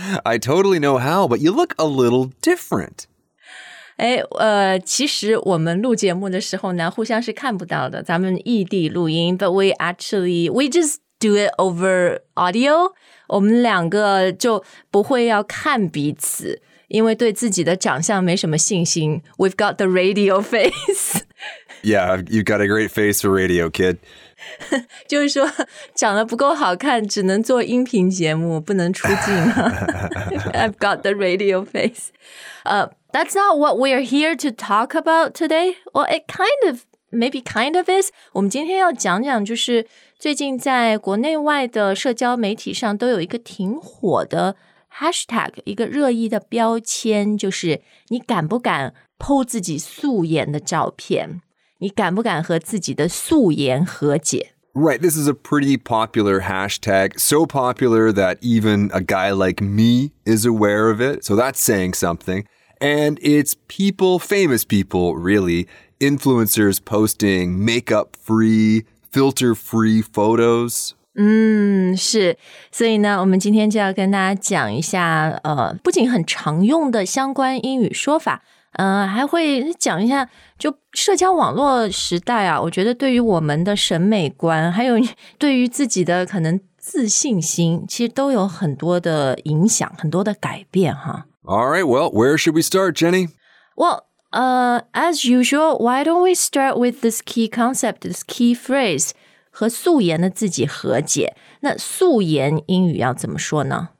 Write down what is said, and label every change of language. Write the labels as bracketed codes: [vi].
[en] I totally know how, but you look a little different. [zh] 其实我们录节目的时候呢，互相是看不到的。咱们异地录音 [en] ，but we just do it over audio。 [zh] 我们两个就不会要看彼此，因为对自己的长相没什么信心。 [en] We've got the radio face. Yeah, you've got a great face for radio, kid. [zh] 就是说，长得不够好看，只能做音频节目，不能出镜啊。 [en] I've got the radio face. That's not what we are here to talk about today. Well, it kind of, maybe kind of is. [zh] 我们今天要讲讲就是最近在国内外的社交媒体上都有一个挺火的 hashtag, 一个热议的标签，就是你敢不敢 po 自己素颜的照片？你敢不敢和自己的素颜和解？ [en] Right, this is a pretty popular hashtag, so popular that even a guy like me is aware of it. So that's saying something. And it's people, famous people, really, influencers posting makeup-free, filter-free photos. [zh] 是。所以呢，我们今天就要跟大家讲一下，不仅很常用的相关英语说法，还会讲一下，就社交网络时代啊，我觉得对于我们的审美观，还有对于自己的可能自信心，其实都有很多的影响，很多的改变哈。 [en] All right, well, where should we start, Jenny? Well, as usual, why don't we start with this key concept, this key phrase, [zh] 和素颜的自己和解。那素颜英语要怎么说呢？